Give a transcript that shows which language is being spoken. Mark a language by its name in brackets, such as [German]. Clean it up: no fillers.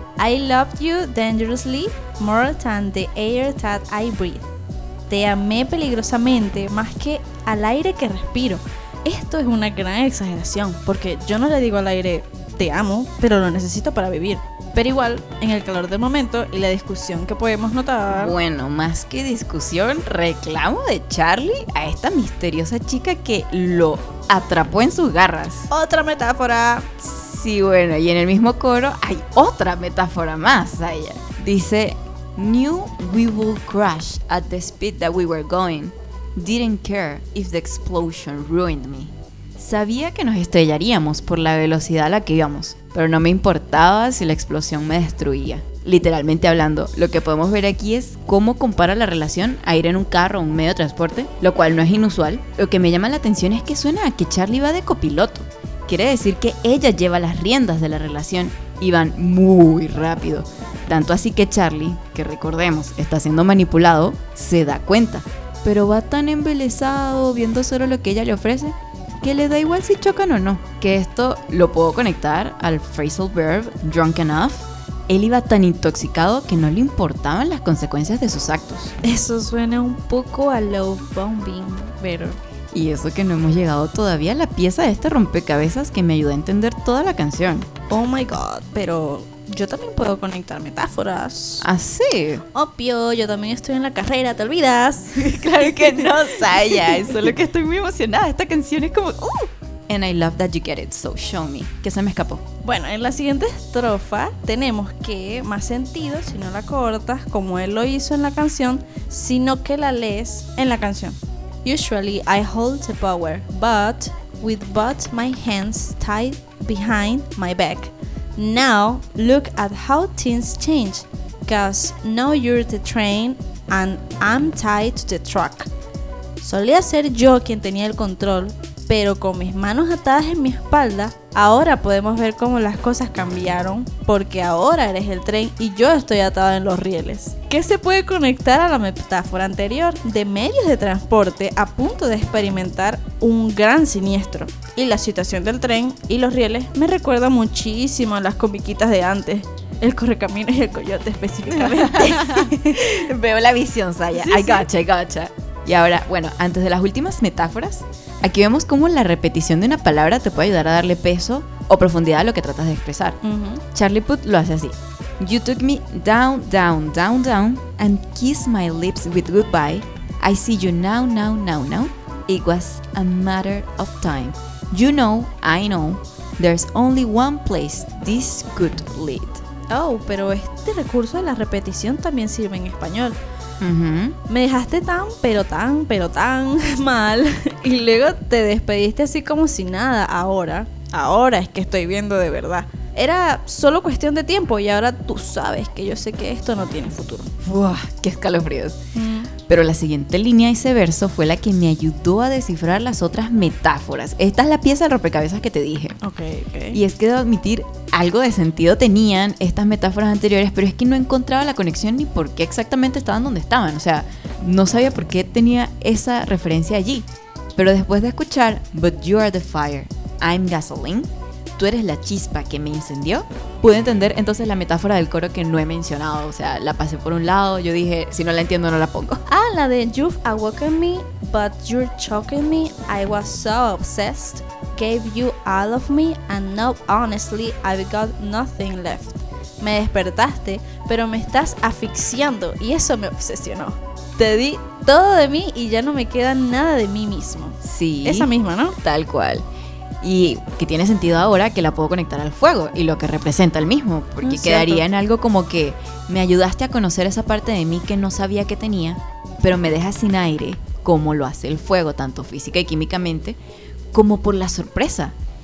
[English] I loved you dangerously, more than the air that I breathe. [Spanish] Te amé peligrosamente, más que al aire que respiro. Esto es una gran exageración, porque yo no le digo al aire, te amo, pero lo necesito para vivir. Pero igual, en el calor del momento y la discusión que podemos notar... Bueno, más que discusión, reclamo de Charlie a esta misteriosa chica que lo atrapó en sus garras. ¡Otra metáfora! Sí, bueno, y en el mismo coro hay otra metáfora más, Aya. Dice, [English] knew we would crash at the speed that we were going. Didn't care if the explosion ruined me. [Spanish] Sabía que nos estrellaríamos por la velocidad a la que íbamos, pero no me importaba si la explosión me destruía. Literalmente hablando, lo que podemos ver aquí es cómo compara la relación a ir en un carro o un medio de transporte, lo cual no es inusual. Lo que me llama la atención es que suena a que Charlie va de copiloto. Quiere decir que ella lleva las riendas de la relación y van muy rápido. Tanto así que Charlie, que recordemos, está siendo manipulado, se da cuenta. Pero va tan embelesado viendo solo lo que ella le ofrece, que le da igual si chocan o no. Que esto lo puedo conectar al phrasal verb, drunk enough. Él iba tan intoxicado que no le importaban las consecuencias de sus actos. Eso suena un poco a love bombing, pero... Y eso que no hemos llegado todavía a la pieza de este rompecabezas que me ayudó a entender toda la canción. [English] Oh my god, [Spanish] pero yo también puedo conectar metáforas. ¿Ah, sí? Obvio, yo también estoy en la carrera, ¿te olvidas? Claro que no, Saya, solo que estoy muy emocionada. Esta canción es como... [English] And I love that you get it, so show me. [Spanish] ¿Qué se me escapó? Bueno, en la siguiente estrofa tenemos que más sentido si no la cortas como él lo hizo en la canción, sino que la lees en la canción. [English] Usually I hold the power, but with both my hands tied behind my back. Now look at how things change, 'cause now you're the train and I'm tied to the truck. [Spanish] Solía ser yo quien tenía el control, pero con mis manos atadas en mi espalda, ahora podemos ver cómo las cosas cambiaron, porque ahora eres el tren y yo estoy atada en los rieles. ¿Qué se puede conectar a la metáfora anterior de medios de transporte a punto de experimentar un gran siniestro? Y la situación del tren y los rieles me recuerda muchísimo a las comiquitas de antes. El correcaminos y el coyote específicamente. Veo la visión, Saya. Sí, [English] I gotcha. [Spanish] Y ahora, bueno, antes de las últimas metáforas, aquí vemos cómo la repetición de una palabra te puede ayudar a darle peso o profundidad a lo que tratas de expresar. Uh-huh. Charlie Puth lo hace así. [English] You took me down, down, down, down, and kissed my lips with goodbye. I see you now, now, now, now. It was a matter of time. You know, I know, there's only one place this could lead. [Spanish] Oh, pero este recurso de la repetición también sirve en español. Uh-huh. Me dejaste tan, pero tan mal. Y luego te despediste así como si nada. Ahora, ahora es que estoy viendo de verdad. Era solo cuestión de tiempo y ahora tú sabes que yo sé que esto no tiene futuro. ¡Buah! ¡Qué escalofríos! Pero la siguiente línea de ese verso fue la que me ayudó a descifrar las otras metáforas. Esta es la pieza de rompecabezas que te dije. Okay. Y es que debo admitir, algo de sentido tenían estas metáforas anteriores, pero es que no encontraba la conexión ni por qué exactamente estaban donde estaban. O sea, no sabía por qué tenía esa referencia allí. Pero después de escuchar [English] "But you are the fire, I'm gasoline", [Spanish] tú eres la chispa que me incendió, pude entender entonces la metáfora del coro que no he mencionado. O sea, la pasé por un lado, yo dije, si no la entiendo no la pongo. [English] Ah, la de "You've awoken me, but you're choking me. I was so obsessed, gave you all of me, and now honestly I've got nothing left. [Spanish] Me despertaste, pero me estás asfixiando y eso me obsesionó. Te di todo de mí y ya no me queda nada de mí mismo". Sí. Esa misma, ¿no? Tal cual. Y que tiene sentido ahora que la puedo conectar al fuego y lo que representa el mismo, porque quedaría en algo como que me ayudaste a conocer esa parte de mí que no sabía que tenía, pero me dejas sin aire, como lo hace el fuego, tanto física y químicamente, como por la sorpresa.